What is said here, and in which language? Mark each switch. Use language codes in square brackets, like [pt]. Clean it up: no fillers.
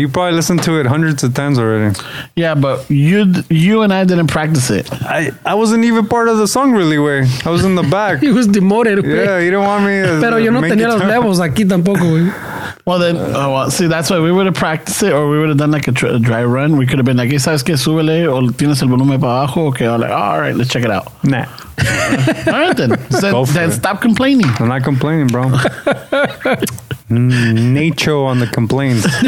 [en] You probably listened to it hundreds of times already. Yeah, but you and I didn't practice it. I wasn't even part of the song, really, güey. I was in the back. He was demoted, güey. Yeah, you didn't want me to [es] Pero yo no tenía los levels aquí tampoco, güey. [en] Well, then, see, that's why we would have practiced it or we would have done like a dry run. We could have been like, ¿sabes qué? Súbele o tienes el volumen para abajo. Okay, I'm like, all right, let's check it out. Nah. All right, then. Then stop complaining. I'm not complaining, bro. Nacho on the complaints.